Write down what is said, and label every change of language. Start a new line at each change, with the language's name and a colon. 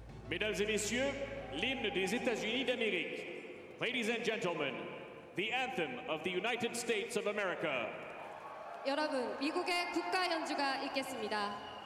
French: Mesdames et messieurs, l'hymne des États-Unis d'Amérique.
English: Ladies and gentlemen, the anthem of the United States of America.
Korean: 여러분, 미국의 국가 연주가 있겠습니다.